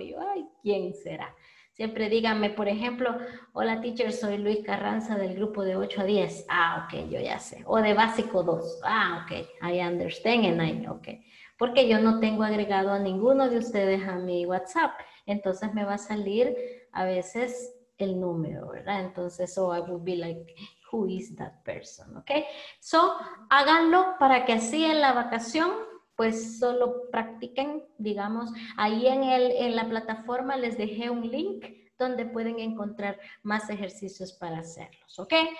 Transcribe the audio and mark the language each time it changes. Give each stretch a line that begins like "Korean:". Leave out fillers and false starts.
Spanish: Y yo, ay, ¿quién será? Siempre díganme, por ejemplo, hola teacher, soy Luis Carranza del grupo de 8 a 10. Ah, ok, yo ya sé. O de básico 2. Ah, ok,
English: I understand and I,
Spanish: ok. Porque yo no tengo agregado a ninguno de ustedes a mi WhatsApp. Entonces me va a salir a veces el número, ¿verdad?
English: Entonces, I would be like, who is that person, ok?
Spanish: So, háganlo para que así en la vacación, pues solo practiquen, digamos, ahí en la plataforma les dejé un link donde pueden encontrar más ejercicios para hacerlos, ¿ok?